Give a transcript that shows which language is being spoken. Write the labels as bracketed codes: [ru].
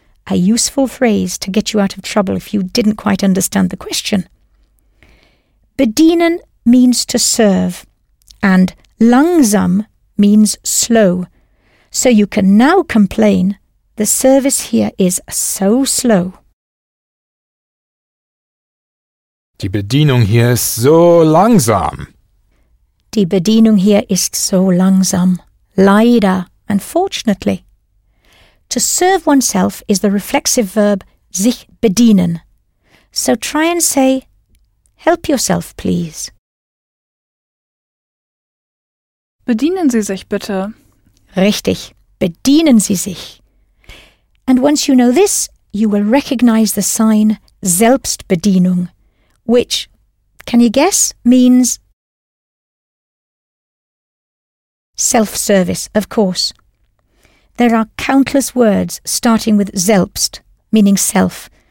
[en] A useful phrase to get you out of trouble if you didn't quite understand the question. Bedienen means to serve, and langsam means slow. So you can now complain, the service here is so slow. [de] Die Bedienung hier ist so langsam. Die Bedienung hier ist so langsam. [en] Leider, unfortunately. To serve oneself is the reflexive verb [de] sich bedienen. [en] So try and say, help yourself, please. [de] Bedienen Sie sich bitte. Richtig, bedienen Sie sich. [en] And once you know this, you will recognize the sign Selbstbedienung, which, can you guess, means self-service, of course. There are countless words starting with Selbst, meaning self.